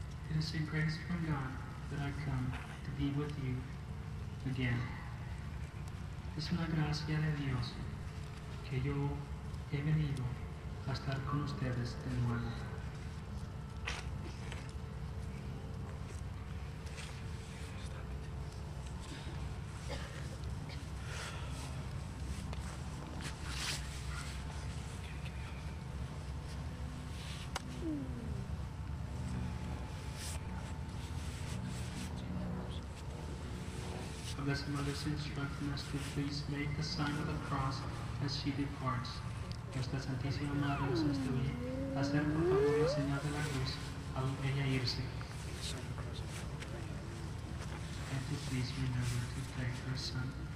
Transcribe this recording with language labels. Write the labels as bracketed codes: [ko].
[en] It is a grace from God that I come to be with you again. [es] Es una gracia de Dios que yo he venido a estar con ustedes de nuevo. [en] Blessed Mother's instructing us to please make the sign of the cross as she departs. [es] Nuestra Santísima Madre nos instruye hacer por favor la señal de la cruz al ella irse. [en] And to please remember to take her son.